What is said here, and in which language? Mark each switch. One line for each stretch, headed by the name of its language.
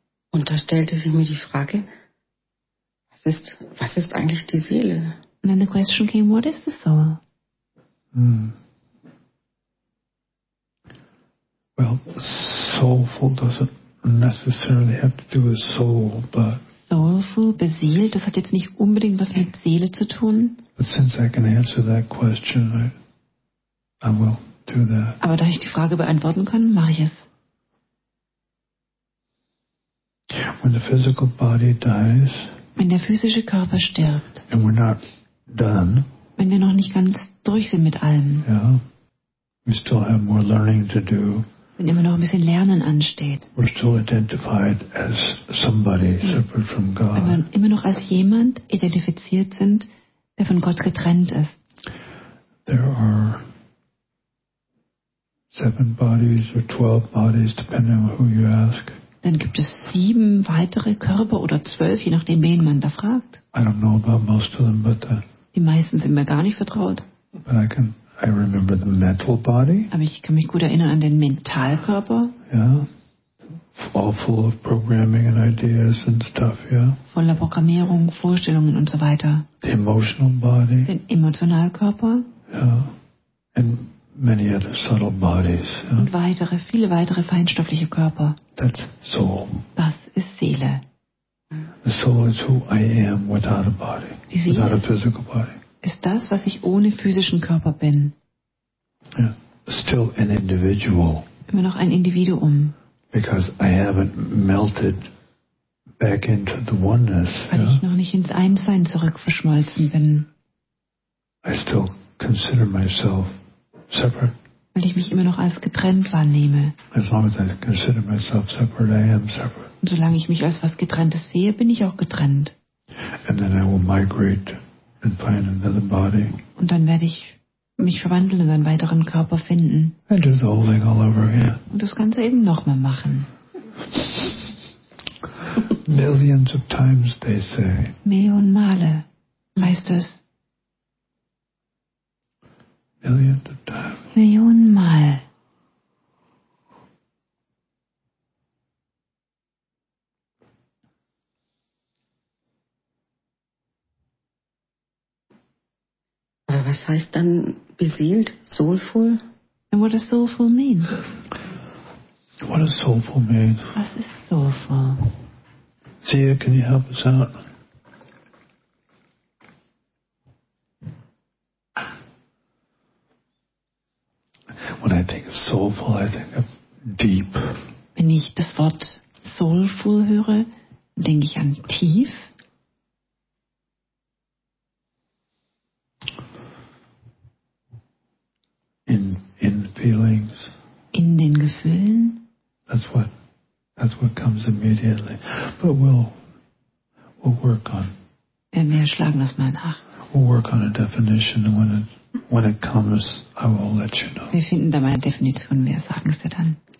German: Und da stellte sich mir die Frage, was ist eigentlich die Seele?
English: And then the question came, what is the soul? Mhm. Well, soulful doesn't necessarily have to do with soul, but...
German: Soulful, beseelt, das hat jetzt nicht unbedingt was mit Seele zu tun.
English: But since I can answer that question, I will do that.
German: Aber da ich die Frage beantworten kann, mache ich es.
English: When the physical body dies...
German: Wenn der physische Körper stirbt...
English: And we're not done...
German: Wenn wir noch nicht ganz durch sind mit allem...
English: Yeah, we still have more learning to do...
German: Wenn immer noch ein bisschen Lernen ansteht.
English: We're still identified as somebody separate from God.
German: Wenn wir immer noch als jemand identifiziert sind, der von Gott getrennt ist.
English: There are 7 bodies or 12 bodies, depending on who you ask.
German: Dann gibt es 7 weitere Körper oder 12, je nachdem, wen man da fragt.
English: I don't know about most of them, but the,
German: die meisten sind mir gar nicht vertraut.
English: But I remember the mental body.
German: Aber ich kann mich gut erinnern an den Mentalkörper.
English: Yeah. All full of programming and ideas and stuff, yeah.
German: Voller Programmierung, Vorstellungen und so weiter.
English: The emotional body.
German: Den emotionalen Körper.
English: Yeah. And many other subtle bodies.
German: Yeah? Und weitere, viele weitere feinstoffliche Körper.
English: That's soul.
German: Das ist Seele.
English: The soul is who I am without a body, without a physical body.
German: Ist das, was ich ohne physischen Körper bin.
English: Yeah. Still an individual.
German: Immer noch ein Individuum.
English: Because I haven't melted back into the oneness.
German: Weil ich noch nicht ins Einssein zurück verschmolzen bin.
English: I still consider myself separate.
German: Weil ich mich immer noch als getrennt wahrnehme.
English: As long as I consider myself separate, I am separate.
German: Und solange ich mich als was Getrenntes sehe, bin ich auch getrennt.
English: And then I will migrate and find another body.
German: Und dann werde ich mich verwandeln und einen weiteren Körper finden.
English: And do the whole thing all over again.
German: Und das Ganze eben nochmal machen.
English: Millions of times, they say.
German: Millionen Male, heißt es.
English: Millions of times.
German: Millionen Mal. Aber was heißt dann beseelt, soulful?
English: And what does soulful mean? What does soulful mean?
German: Was ist soulful?
English: Zia, can you help us out? When I think of soulful, I think of deep.
German: Wenn ich das Wort soulful höre, denke ich an tief.
English: In feelings.
German: In den Gefühlen.
English: That's what comes immediately. But we'll work on.
German: Wir schlagen das mal nach.
English: We'll work on a definition and when it comes, I will let you know.
German: Wir finden da mal eine Definition. Wir sagen es dir dann.